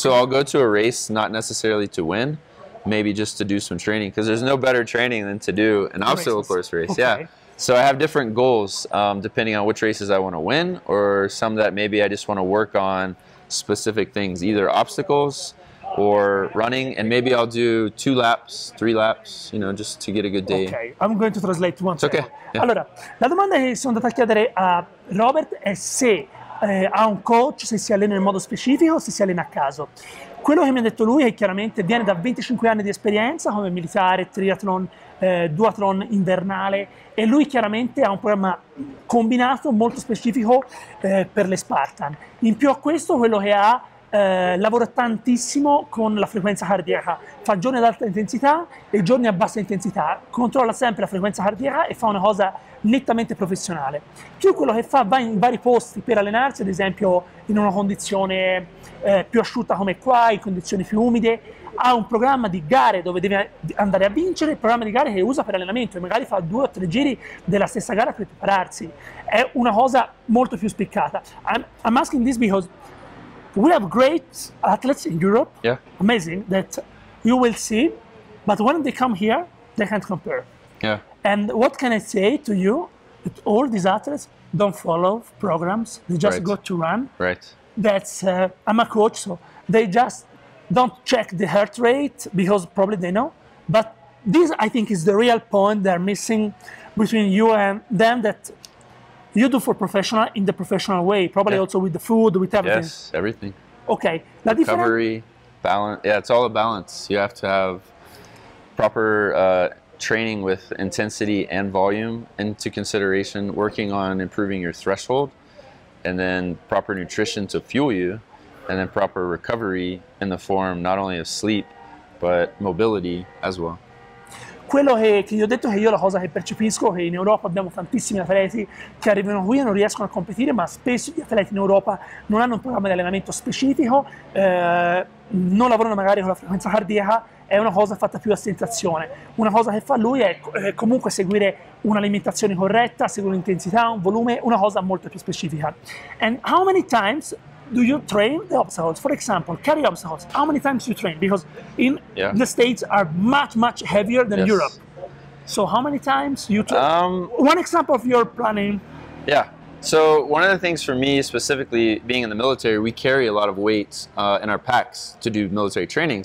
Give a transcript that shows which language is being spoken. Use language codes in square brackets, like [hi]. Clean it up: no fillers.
[en] So I'll go to a race, not necessarily to win, maybe just to do some training, because there's no better training than to do an obstacle course race. Okay. Yeah. So I have different goals depending on which races I want to win, or some that maybe I just want to work on specific things, either obstacles or running, and maybe I'll do 2 laps, 3 laps, you know, just to get a good day. Okay, I'm going to translate one. Okay. Yeah. [it] Allora, la domanda che sono andata a chiedere a Robert è se ha un coach, se si allena in modo specifico o se si allena a caso. Quello che mi ha detto lui è chiaramente viene da 25 anni di esperienza come militare, triathlon, duathlon invernale, e lui chiaramente ha un programma combinato molto specifico per le Spartan. In più a questo, quello che ha, lavora tantissimo con la frequenza cardiaca, fa giorni ad alta intensità e giorni a bassa intensità, controlla sempre la frequenza cardiaca e fa una cosa nettamente professionale. Più quello che fa, va in vari posti per allenarsi, ad esempio in una condizione più asciutta come qua, in condizioni più umide, ha un programma di gare dove deve andare a vincere, il programma di gare che usa per allenamento, e magari fa 2 o 3 giri della stessa gara per prepararsi. È una cosa molto più spiccata. [en] I'm asking this because we have great athletes in Europe, yeah, amazing, that you will see, but when they come here, they can't compare. Yeah. And what can I say to you? That all these athletes don't follow programs, they just right. go to run. Right. That's, I'm a coach, so they just don't check the heart rate, because probably they know. But this, I think, is the real point they're missing between you and them, that you do for professional in the professional way, probably yeah. also with the food, with everything. Yes, everything. Okay. Recovery, balance. Yeah, it's all a balance. You have to have proper training with intensity and volume into consideration, working on improving your threshold, and then proper nutrition to fuel you, and then proper recovery in the form not only of sleep, but mobility as well. [it] Quello che gli ho detto, che io la cosa che percepisco, che in Europa abbiamo tantissimi atleti che arrivano qui e non riescono a competere, ma spesso gli atleti in Europa non hanno un programma di allenamento specifico, non lavorano magari con la frequenza cardiaca, è una cosa fatta più a sensazione. Una cosa che fa lui è comunque seguire un'alimentazione corretta, seguire un'intensità, un volume, una cosa molto più specifica. [en] And how many times do you train the obstacles? For example, carry obstacles. How many times do you train? Because in the States are much, much heavier than Europe. So how many times you train? One example of your planning. Yeah. So one of the things for me, specifically being in the military, we carry a lot of weight in our packs to do military training.